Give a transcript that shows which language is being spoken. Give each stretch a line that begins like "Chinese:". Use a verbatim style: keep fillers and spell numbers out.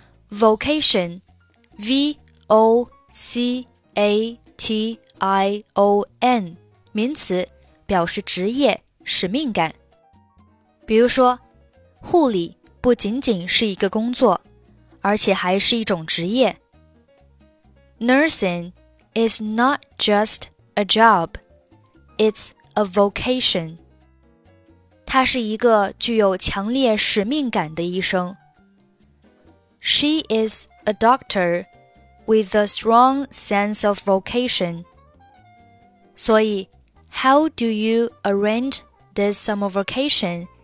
Chinese: Vocation, V O C A T I O N 名词表示职业、使命感。比如说，护理不仅仅是一个工作，而且还是一种职业。
English: Nursing is not just a job, it's a vocation.
Chinese: 他是一个具有强烈使命感的医生。
English: She is a doctor. With a strong sense of vocation.
Chinese: 所以
English: how do you arrange this summer vacation?